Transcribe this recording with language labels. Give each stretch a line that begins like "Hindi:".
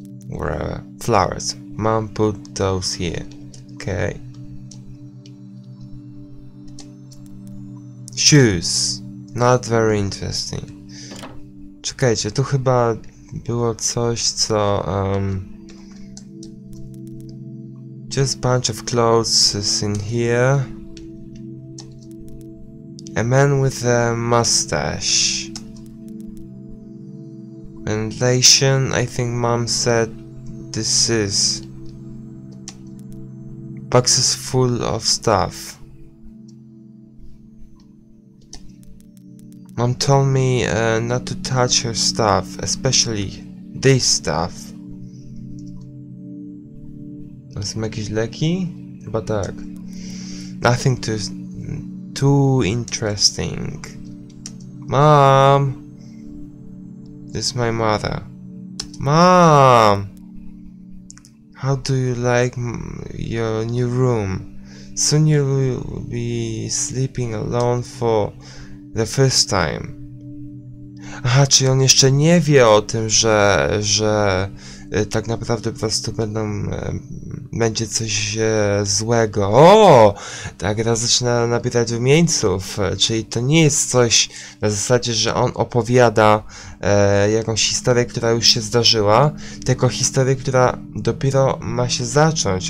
English: whatever. Flowers. Mom put those here. Okay. Shoes. Not very interesting.
Polish: Czekajcie, tu chyba było coś, co...
English: Just bunch of clothes is in here. A man with a mustache. Ventilation, I think mom said this is. Boxes full of stuff. Mom told me not to touch her stuff, especially this stuff.
Polish: To są jakieś leki? Chyba tak.
English: Nothing to... Too interesting. Mom! This is my mother. Mom! How do you like your new room? Soon you will be sleeping alone for the first time.
Polish: Aha, czyli on jeszcze nie wie o tym, że tak naprawdę po prostu będą... będzie coś złego. O! Tak, teraz zaczyna nabierać rumieńców. Czyli to nie jest coś na zasadzie, że on opowiada jakąś historię, która już się zdarzyła, tylko historię, która dopiero ma się zacząć.